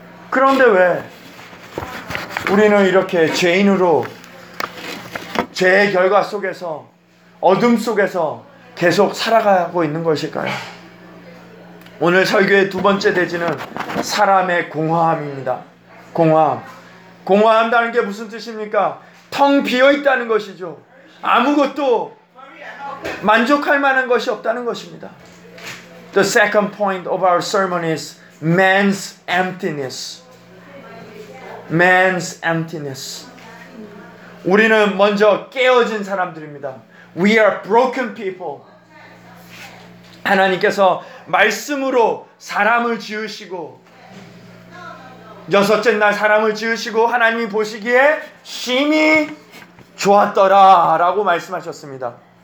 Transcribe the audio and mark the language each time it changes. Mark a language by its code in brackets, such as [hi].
[ko] 그런데 왜 우리는 이렇게 죄인으로 죄의 결과 속에서 어둠 속에서 계속 살아가고 있는 것일까요? 오늘 설교의 두 번째 대지는 사람의 공허함입니다. 공허함. 공허한다는 게 무슨 뜻입니까? 텅 비어 있다는 것이죠. 아무것도 만족할 만한 것이 없다는 것입니다. [en] The second point of our sermon is man's emptiness. Man's emptiness. [ko] 우리는 먼저 깨어진 사람들입니다. [en] We are broken people. [ko] 하나님께서 말씀으로 사람을 지으시고 여섯째 날 사람을 지으시고 하나님이 보시기에 심히 좋았더라 라고 말씀하셨습니다.